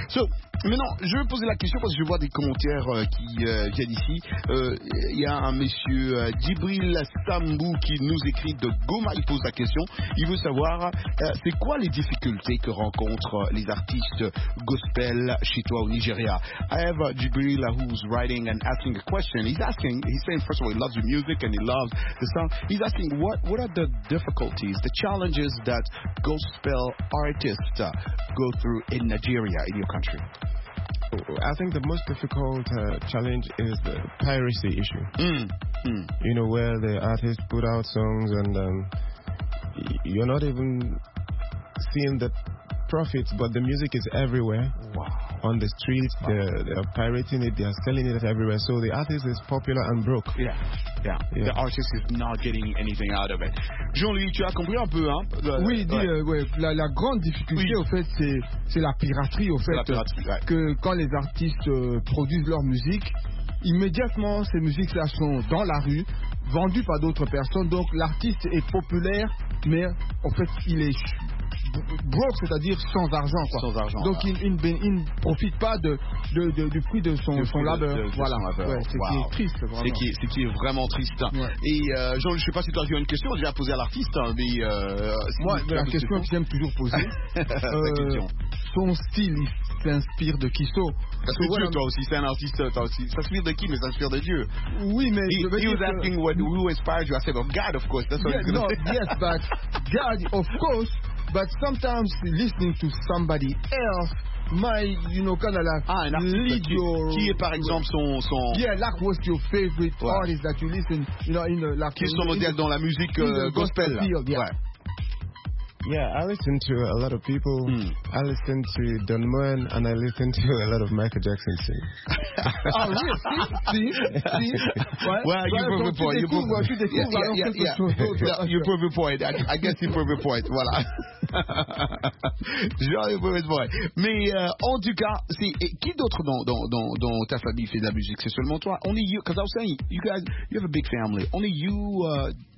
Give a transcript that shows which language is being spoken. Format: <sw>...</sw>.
<fr>So, maintenant, je vais poser la question parce que je vois des commentaires qui viennent ici. Il y a un monsieur Djibril Sambou qui nous écrit de Goma. Il pose la question. Il veut savoir, c'est quoi les difficultés que rencontrent les artistes gospel chez toi au Nigeria?</fr> <en>I have Djibril who's writing and asking a question. He's asking, he's saying, first of all, he loves the music and he loves the song. He's asking, what are the difficulties, the challenges that gospel artists go through in Nigeria, in your country? I think the most difficult challenge is the piracy issue. Mm. Mm. You know, where the artists put out songs and you're not even seeing the profits, but the music is everywhere. Wow. On the streets, wow. They're pirating it, they're selling it everywhere. So the artist is popular and broke. Yeah, yeah. Yeah. The artist is not getting anything out of it.</en> <fr>Jean-Louis, tu as compris un peu, hein? Oui, ouais. La grande difficulté, oui. Au fait, c'est la piraterie, au fait. La piraterie, ouais. Que quand les artistes produisent leur musique, immédiatement, ces musiques-là sont dans la rue, vendues par d'autres personnes. Donc l'artiste est populaire, mais en fait, il est broke, c'est-à-dire sans argent, quoi. Sans argent. Donc il ne profite pas du prix de son labeur. Voilà. Son labeur. wow. Ce qui est triste, vraiment. Ce qui est vraiment triste. Ouais. Et Jean, je ne sais pas si tu as une question déjà posée à l'artiste, mais moi, la question que j'aime toujours poser. Son style, il s'inspire de qui? Parce que Dieu, toi aussi, c'est un artiste, toi aussi. Ça s'inspire de qui? Mais ça s'inspire de Dieu. Oui, mais</fr> <en>who inspired you? I said, of God, of course. That's yes, no, yes, but God, of course. But sometimes listening to somebody else might, you know, kind of like lead your...</en> <fr>Qui est par exemple son...</fr> <en>Yeah, like what's your favorite artist that you listen, you know, in the... Like,</en> <fr>qui est son modèle dans la musique gospel?</fr> <en>Field, yeah. Ouais. Yeah, I listen to a lot of people. Mm. I listen to Don Moen and I listen to a lot of Michael Jackson singing. Oh, yes, see? Well, you prove a point. You prove a point. I guess you prove a point. Voilà.</en> <fr>J'ai prouvé le point. Mais en tout cas, qui d'autre dans ta famille fait de la musique? C'est seulement toi.</fr> <en>Only you. Because I was saying, you guys, you have a big family. Only you.</en>